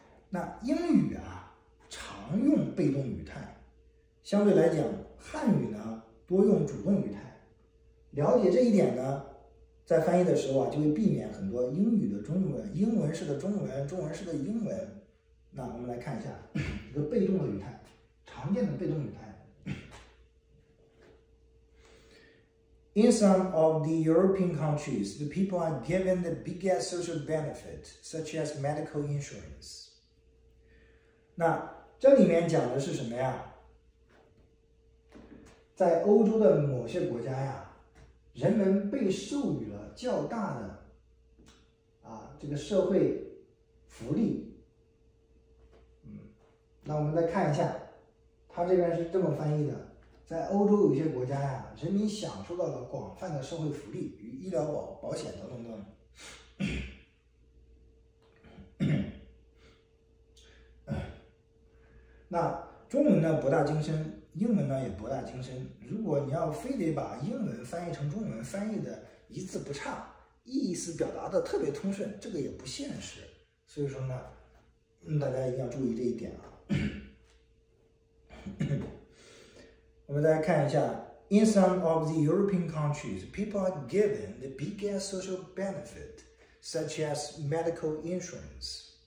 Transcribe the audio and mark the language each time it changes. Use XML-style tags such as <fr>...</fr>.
<zh>那英语啊常用被动语态，相对来讲汉语呢多用主动语态。了解这一点呢，在翻译的时候啊，就会避免很多英语的中文、英文式的中文、中文式的英文。那我们来看一下一个被动的语态，常见的被动语态。</zh> <en>In some of the European countries, the people are given the biggest social benefit, such as medical insurance.</en> <zh>那这里面讲的是什么呀？在欧洲的某些国家呀，人们被授予了较大的这个社会福利。那我们再看一下，他这边是这么翻译的。在欧洲有些国家呀，人民享受到了广泛的社会福利与医疗保险等等等。那中文呢博大精深，英文呢也博大精深。如果你要非得把英文翻译成中文，翻译的一字不差，意思表达的特别通顺，这个也不现实。所以说呢，大家一定要注意这一点啊。我们再看一下</zh> <en>，In some of the European countries, people are given the biggest social benefit, such as medical insurance.</en>